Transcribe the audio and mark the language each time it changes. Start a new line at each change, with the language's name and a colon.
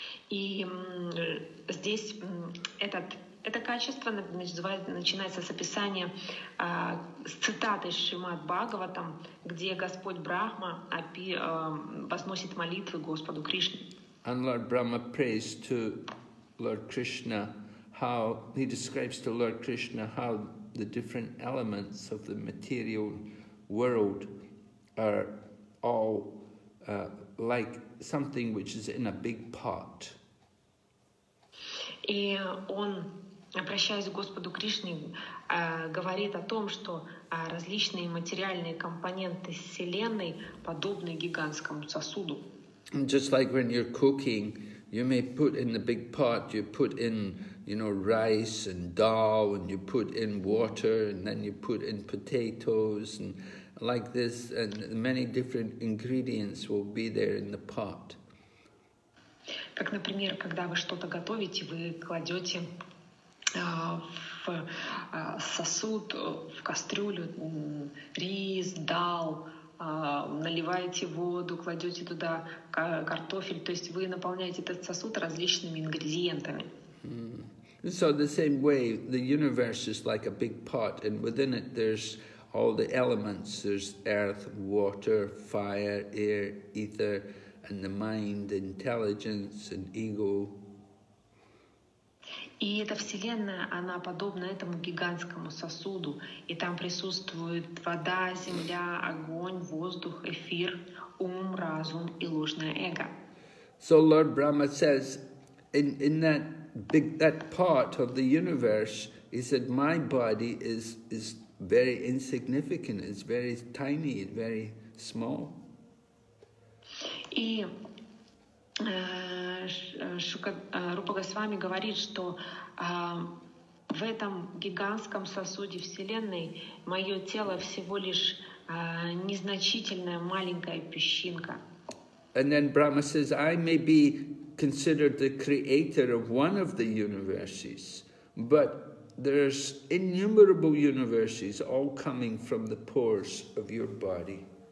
Russian: И здесь это качество начинается с описания, с цитаты Шримад Бхагаватам, где Господь Брахма возносит молитвы Господу Кришне.
English: And Lord Brahma prays to Lord Krishna, how he describes to Lord Krishna how the different elements of the material world are all like something which is in a big pot.
Russian: И он, обращаясь к Господу Кришне, говорит о том, что различные материальные компоненты вселенной подобны гигантскому сосуду.
English: Just like when you're cooking, you may put in the big pot, you put in, you know, rice and dal, and you put in water, and then you put in potatoes, and like this, and many different ingredients will be there in the pot.
Russian: Как, например, когда вы что-то готовите, вы кладете в сосуд, в кастрюлю рис, дал, наливаете воду, кладете туда картофель, то есть вы наполняете этот сосуд различными ингредиентами.
English: So the same way, the universe is like a big pot, and within it there's all the elements. There's earth, water, fire, air, ether, and the mind, intelligence, and ego.
Russian: И эта вселенная, она подобна этому гигантскому сосуду, и там присутствует вода, земля, огонь, воздух, эфир, ум, разум и ложное эго.
English: So Lord Brahma says, in that big, that part of the universe, he said, my body is very insignificant, it's very tiny, it's very small.
Russian: И Рупа Госвами говорит, что в этом гигантском сосуде Вселенной мое тело всего лишь незначительная маленькая песчинка.
English: And then Brahma says, I may be considered the creator of one of the universes, but there's innumerable universes all coming from the pores of your body.